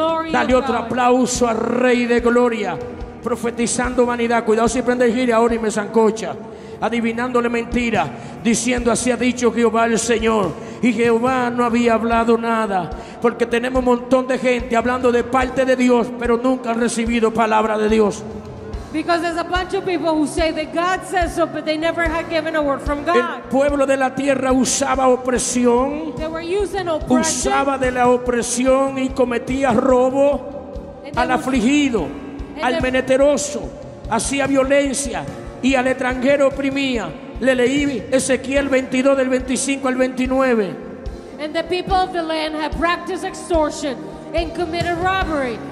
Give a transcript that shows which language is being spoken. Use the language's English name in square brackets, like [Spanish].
[Spanish] Dale otro aplauso al Rey de Gloria. Profetizando vanidad, cuidado si prende gira ahora y me zancocha, adivinándole mentira, diciendo así ha dicho Jehová el Señor, y Jehová no había hablado nada, porque tenemos un montón de gente hablando de parte de Dios, pero nunca han recibido palabra de Dios. [English] Because there's a bunch of people who say that God says so, but they never had given a word from God. [Spanish] El pueblo de la tierra usaba opresión, [English] they were using oppression, [Spanish] usaba de la opresión y cometía robo al afligido, al menesteroso, hacía violencia y al extranjero oprimía. Le leí Ezequiel 22 del 25 al 29. [English] And the people of the land have practiced extortion and committed robbery.